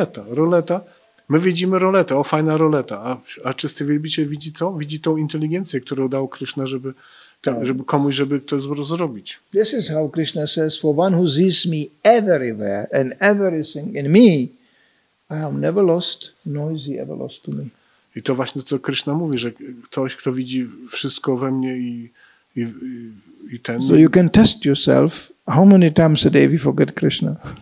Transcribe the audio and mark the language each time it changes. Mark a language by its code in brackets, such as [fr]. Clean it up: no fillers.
[pl] Ruleta. My widzimy ruletę, o, fajna ruleta. A czysty wielbiciel widzi co? Widzi tą inteligencję, którą dał Krishna, żeby to zrobić. [en] This is how Krishna says, for one who sees me everywhere and everything in me, I am never lost, nor is he ever lost to me. [pl] I to właśnie, co Krishna mówi, że ktoś, kto widzi wszystko we mnie i ten. [en] So you can test yourself, how many times a day we forget Krishna.